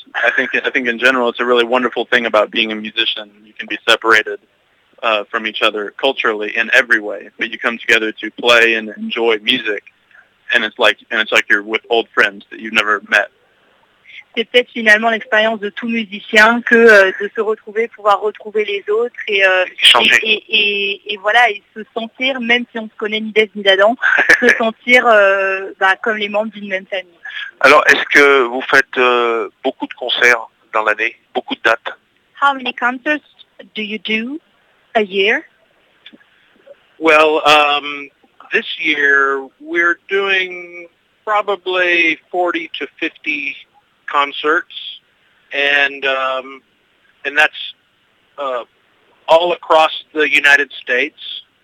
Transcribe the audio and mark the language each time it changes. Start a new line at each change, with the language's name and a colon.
English: I think in general it's a really wonderful thing about being a musician. You can be separated from each other culturally in every way, but you come together to play and enjoy music, and it's like you're with old friends that you've never met.
French: C'est peut-être finalement l'expérience de tout musicien que de se retrouver, pouvoir retrouver les autres et se sentir, même si on se connaît ni d'Ève ni d'Adam, se sentir comme les membres d'une même famille. Alors, est-ce que vous faites beaucoup de concerts dans l'année, beaucoup de dates?
English: How many concerts do you do a year? Well, this year we're doing probably 40 to 50 concerts, and that's all across the United States.